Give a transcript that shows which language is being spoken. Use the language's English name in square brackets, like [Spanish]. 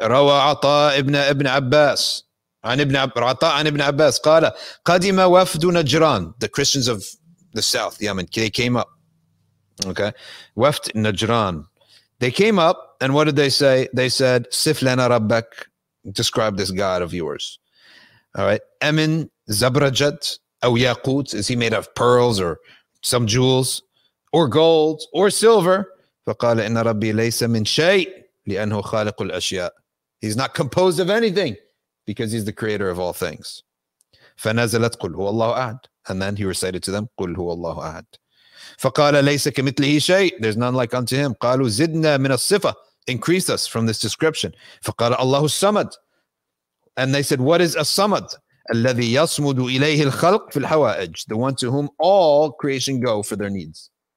[Arabic] روى عطاء ابن عباس عن ابن عباس قال قدم وفد نجران. [English] The Christians of the south, Yemen, they came up. [Arabic] Okay. وفد نجران. [English] They came up and what did they say? They said [Arabic] صف لنا ربك. [English] Describe this God of yours. All right. [Arabic] أمن زبرجت أو ياقوت. [English] Is he made of pearls or some jewels, or gold, or silver? [Arabic] فقال إن ربي ليس من شيء لأنه خالق الأشياء. [English] He's not composed of anything because he's the creator of all things. [Arabic] فنزلت قل هو الله أحد. [English] And then he recited to them [Arabic] قل هو الله أحد. فقال ليس كمثله شيء. [English] There's none like unto him. [Arabic] قالوا زدنا من الصفة. [English] Increase us from this description. [Arabic] فقال الله الصمد. [English] And they said, what is a samad? [Arabic] الذي يصمد إليه الخلق في الحوائج. [English] The one to whom all creation go for their needs.